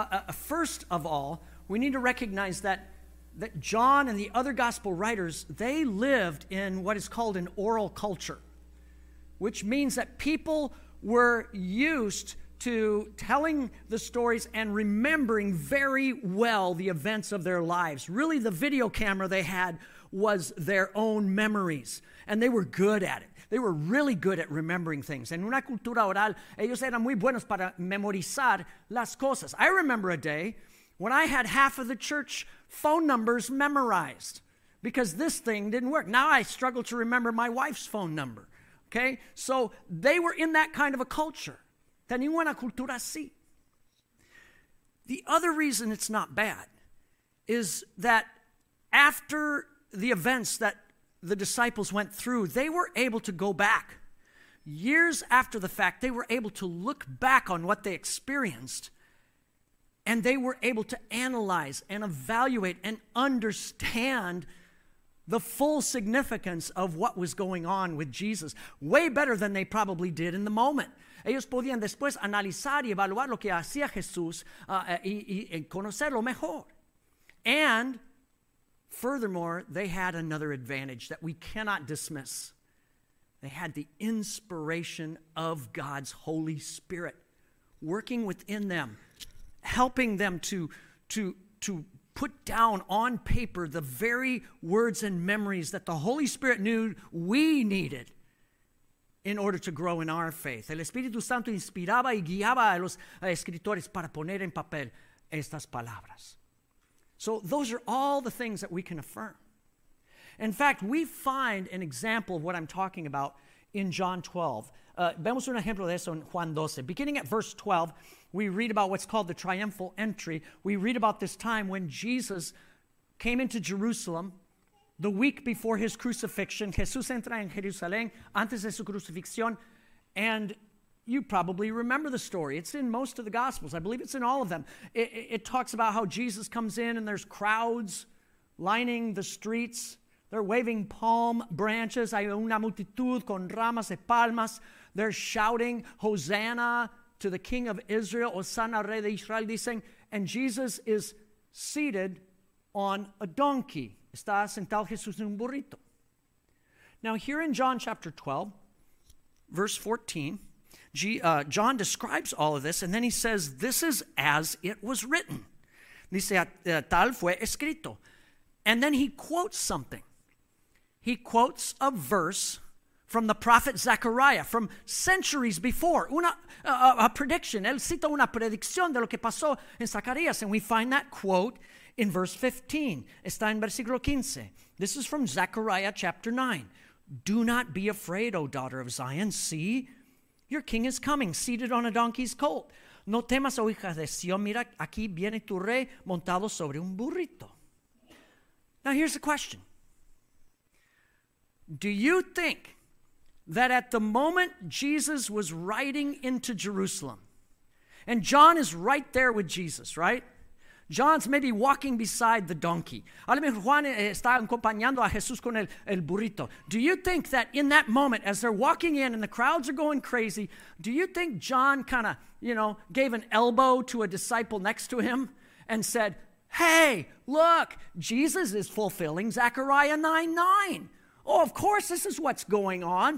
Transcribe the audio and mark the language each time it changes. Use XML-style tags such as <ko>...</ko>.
<en>First of all, we need to recognize that John and the other gospel writers, they lived in what is called an oral culture, which means that people were used to telling the stories and remembering very well the events of their lives. Really, the video camera they had was their own memories, and they were good at it. They were really good at remembering things.</en> <es>En una cultura oral, ellos eran muy buenos para memorizar las cosas.</es> <en>I remember a day when I had half of the church phone numbers memorized because this thing didn't work. Now I struggle to remember my wife's phone number, okay? So they were in that kind of a culture.</en> <es>Tenían una cultura así.</es> <en>The other reason it's not bad is that after the events that the disciples went through, they were able to go back. Years after the fact, they were able to look back on what they experienced, and they were able to analyze and evaluate and understand the full significance of what was going on with Jesus way better than they probably did in the moment.</en> <es>Ellos podían después analizar y evaluar lo que hacía Jesús y conocerlo mejor.</es> <en>And furthermore, they had another advantage that we cannot dismiss. They had the inspiration of God's Holy Spirit working within them, helping them to put down on paper the very words and memories that the Holy Spirit knew we needed in order to grow in our faith.</en> <es>El Espíritu Santo inspiraba y guiaba a los escritores para poner en papel estas palabras.</es> <en>So those are all the things that we can affirm. In fact, we find an example of what I'm talking about in John 12.</en> <es>Vemos un ejemplo de eso en Juan 12.</es> <en>Beginning at verse 12, we read about what's called the triumphal entry. We read about this time when Jesus came into Jerusalem the week before his crucifixion.</en> <es>Jesús entra en Jerusalén antes de su crucifixión.</es> <en>And you probably remember the story. It's in most of the Gospels. I believe it's in all of them. It talks about how Jesus comes in and there's crowds lining the streets. They're waving palm branches.</en> <es>Hay una multitud con ramas de palmas.</es> <en>They're shouting, Hosanna to the King of Israel.</en> <es>Hosanna, Rey de Israel, dicen.</es> <en>And Jesus is seated on a donkey.</en> <es>Está sentado Jesús en un burrito.</es> <en>Now here in John chapter 12, verse 14, John describes all of this, and then he says, this is as it was written.</en> <es>Dice, tal fue escrito.</es> <en>And then he quotes something. He quotes a verse from the prophet Zechariah, from centuries before. A prediction.</en> <es>Él cita una predicción de lo que pasó en Zacarías.</es> <en>And we find that quote in verse 15.</en> <es>Está en versículo 15.</es> <en>This is from Zechariah chapter 9. "Do not be afraid, O daughter of Zion. See, your king is coming, seated on a donkey's colt.</en> <es>No temas, O hija de Sion. Mira, aquí viene tu rey montado sobre un burrito."</es> <en>Now here's the question. Do you think that at the moment Jesus was riding into Jerusalem, and John is right there with Jesus, right? John's maybe walking beside the donkey.</en> <es>A lo mejor Juan está acompañando a Jesús con el burrito.</es> <en>Do you think that in that moment, as they're walking in and the crowds are going crazy, do you think John kind of, you know, gave an elbow to a disciple next to him and said, "Hey, look, Jesus is fulfilling Zechariah 9:9. Oh, of course, this is what's going on.</en>